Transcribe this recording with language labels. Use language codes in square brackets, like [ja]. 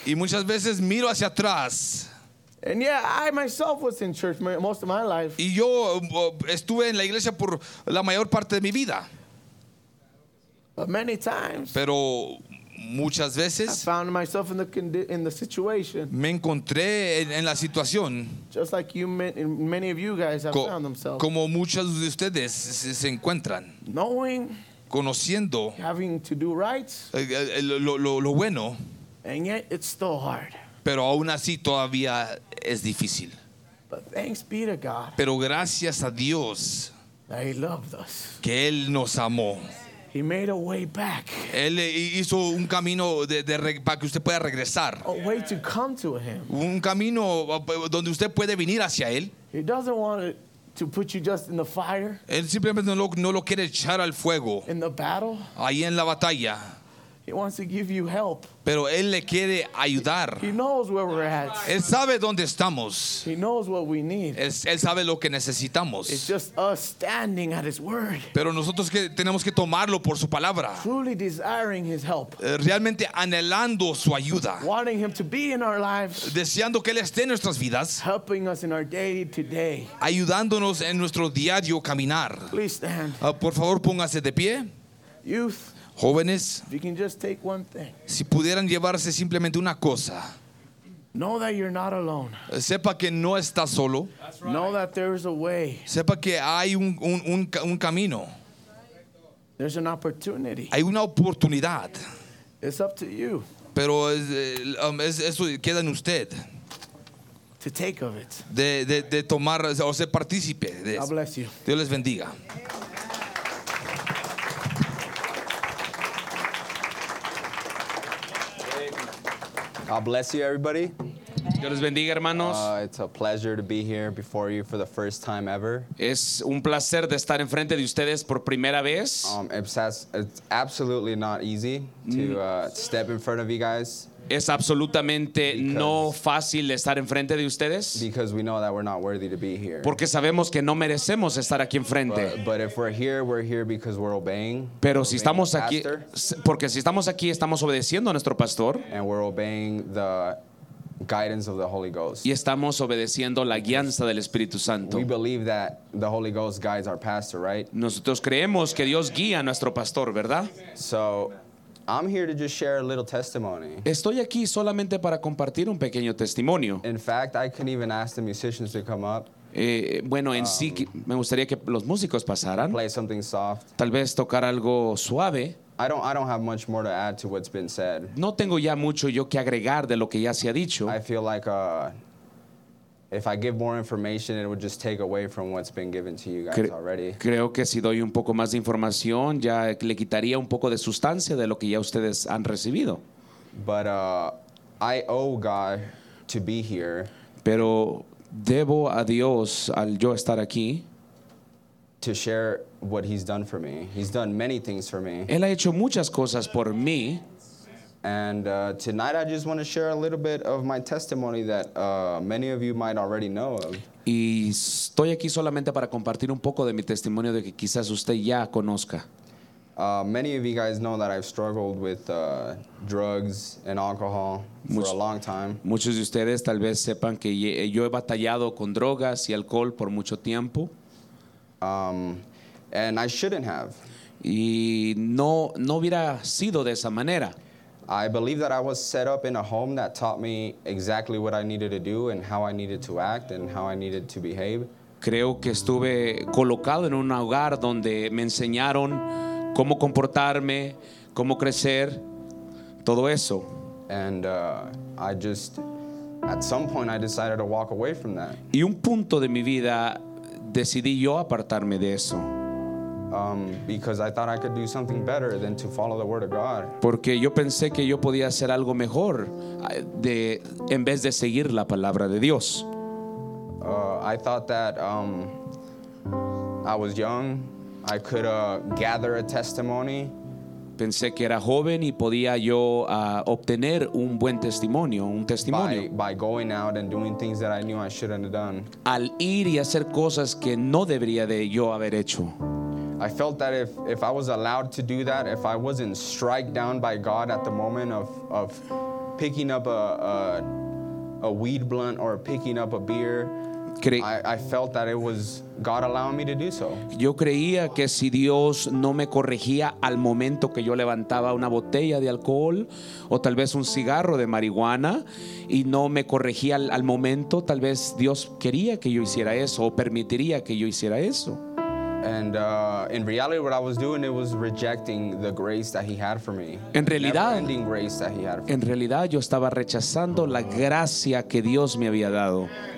[es] Y muchas veces miro hacia atrás. [en] And yeah, I myself was in church most of my life. [es] Y yo estuve en la iglesia por la mayor parte de mi vida. [en] But many times. [es] Pero muchas veces. [en] I found myself in the situation. [es] Me encontré en la situación. [en] Just like you, many of you guys have found themselves. [es] Como muchos de ustedes se encuentran. [en] Knowing. [es] Conociendo. [en] Having to do right. [es] Lo bueno. [en] And yet it's still hard. [es] Pero aún así todavía es difícil. [en] But thanks be to God. [es] Pero gracias a Dios [en] that he loved us. [es] Que Él nos amó. [en] He made a way back. [es] Él hizo un camino para que usted pueda regresar. [en] A way to come to him. [es] Un camino donde usted puede venir hacia Él. [en] He doesn't want to put you just in the fire. [es] Él simplemente no lo quiere echar al fuego. [en] In the battle. [es] Ahí en la batalla. [en] He wants to give you help. [es] Pero él le quiere ayudar. [en] He knows where we're at. [es] Él sabe dónde estamos. [en] He knows what we need. [es] Él sabe lo que necesitamos. [en] It's just us standing at his word. [es] Pero nosotros que tenemos que tomarlo por su palabra. [en] Truly desiring his help. [es] Realmente anhelando su ayuda. [en] Wanting him to be in our lives. [es] Deseando que él esté en nuestras vidas. [en] Helping us in our day to day. [es] Ayudándonos en nuestro diario caminar. [en] Please stand. [es] Por favor, póngase de pie. [en] Youth. [es] Jóvenes, [en] if you can just take one thing, [es] si pudieran llevarse simplemente una cosa, [en] know that you're not alone. [es] Sepa que no está solo. [en] Right. Know that there is a way. [es] Sepa que hay un camino. [en] There's an opportunity. [es] Hay una oportunidad. [en] It's up to you. [es] Pero eso queda en usted. [en] To take of it. [es] De tomar o ser partícipe de eso. [en] God bless you. [es] Dios les bendiga. [en] God bless you, everybody. [es] Dios les bendiga, hermanos. [en] It's a pleasure to be here before you for the first time ever. [es] Es un placer de estar enfrente de ustedes por primera vez. [en] It's absolutely not easy to step in front of you guys. [es] Es absolutamente no fácil estar enfrente de ustedes. [en] Because we know that we're not worthy to be here. [es] Porque sabemos que no merecemos estar aquí enfrente. [en] But if we're here, we're here because we're obeying. [es] Pero si estamos aquí, porque si estamos aquí, estamos obedeciendo a nuestro pastor. [en] And we're obeying the guidance of the Holy Ghost. [es] Y estamos obedeciendo la guianza del Espíritu Santo. [en] We believe that the Holy Ghost guides our pastor, right? [es] Nosotros creemos que Dios guía a nuestro pastor, ¿verdad? [en] So I'm here to just share a little testimony. [es] Estoy aquí solamente para compartir un pequeño testimonio. [en] In fact, I couldn't even ask the musicians to come up. [es] Sí, me gustaría que los músicos pasaran. [en] Play something soft. [es] Tal vez tocar algo suave. [en] I don't have much more to add to what's been said. [es] No tengo ya mucho yo que agregar de lo que ya se ha dicho. [en] I feel like if I give more information, it would just take away from what's been given to you guys already. [es] Creo que si doy un poco más de información, ya le quitaría un poco de sustancia de lo que ya ustedes han recibido. [en] But I owe God to be here. [es] Pero debo a Dios al yo estar aquí. [en] To share what he's done for me. He's done many things for me. [es] Él ha hecho muchas cosas por mí. [en] And tonight I just want to share a little bit of my testimony that many of you might already know of. [es] Y estoy aquí solamente para compartir un poco de mi testimonio de que quizás usted ya conozca. [en] Many of you guys know that I've struggled with drugs and alcohol for a long time. [es] Muchos de ustedes tal vez sepan que yo he batallado con drogas y alcohol por mucho tiempo. [en] And I shouldn't have. [es] Y no hubiera sido de esa manera. [en] I believe that I was set up in a home that taught me exactly what I needed to do and how I needed to act and how I needed to behave. [es] Creo que estuve colocado en un hogar donde me enseñaron cómo comportarme, cómo crecer, todo eso. [en] And I just, at some point, I decided to walk away from that. [es] Y un punto de mi vida, decidí yo apartarme de eso. [en] Because I thought I could do something better than to follow the word of God. [es] Porque yo pensé que yo podía hacer algo mejor de en vez de seguir la palabra de Dios. [en] I thought that I was young. I could gather a testimony. [es] Pensé que era joven y podía yo obtener un buen testimonio, un testimonio. [en] By going out and doing things that I knew I shouldn't have done. [es] Al ir y hacer cosas que no debería de yo haber hecho. [en] I felt that if I was allowed to do that, if I wasn't struck down by God at the moment of picking up a weed blunt or picking up a beer, I felt that it was God allowing me to do so. [es] Yo creía que si Dios no me corregía al momento que yo levantaba una botella de alcohol o tal vez un cigarro de marihuana y no me corregía al momento, tal vez Dios quería que yo hiciera eso o permitiría que yo hiciera eso. [en] And in reality, what I was doing, it was rejecting the grace that he had for me. [es] En realidad, [en] the never-ending grace that he had for [es] en realidad, yo estaba rechazando la gracia que Dios me había dado.